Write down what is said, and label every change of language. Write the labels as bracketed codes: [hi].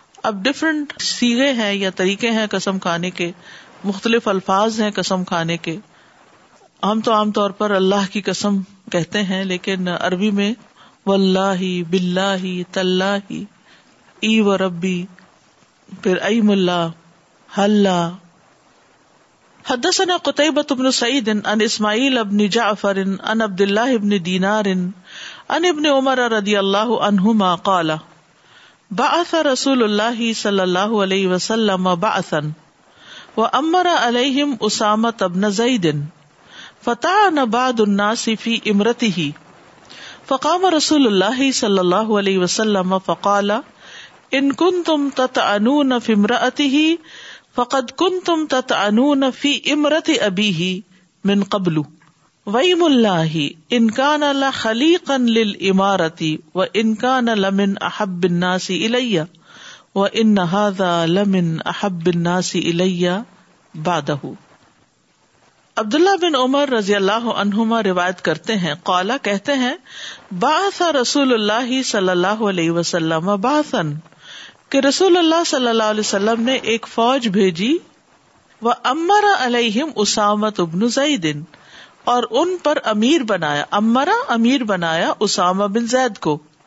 [ur] اب ڈفرنٹ سیغے ہیں یا طریقے ہیں قسم کھانے کے، مختلف الفاظ ہیں قسم کھانے کے. ہم تو عام طور پر اللہ کی قسم کہتے ہیں، لیکن عربی میں وَاللَّهِ بِاللَّهِ تَاللَّهِ اِی وَرَبِّی پھر اَيْمُ اللَّهِ هلا. [ar] حدثنا قتيبة بن سعيد عن اسماعيل بن جعفر عن عبد الله بن دينار عن ابن عمر رضي الله عنهما قال بعث رسول الله صلى الله عليه وسلم بعثا وأمر عليهم أسامة بن زيد فطعن بعض الناس في إمرته فقام رسول الله صلى الله عليه وسلم فقال إن كنتم تطعنون في امرأته فقد كنتم تطعنون في امرة ابيه من قبل ويم الله ان كان لخليقا للامارة وان كان لمن احب الناس الي وان هذا لمن احب الناس الي بعده. [ur] عبداللہ بن عمر رضی اللہ عنہما روایت کرتے ہیں، قالا کہتے ہیں [ar] بعث رسول اللہ صلی اللہ علیہ وسلم بعثا، [ur] کہ رسول اللہ صلی اللہ علیہ وسلم نے ایک فوج بھیجی، [ar] وَأَمَّرَ عَلَيْهِمْ اُسَامَةُ بْنُ زَيْدٍ، [ur] اور ان پر امیر بنایا، امرا امیر بنایا اسامہ بن زید کو،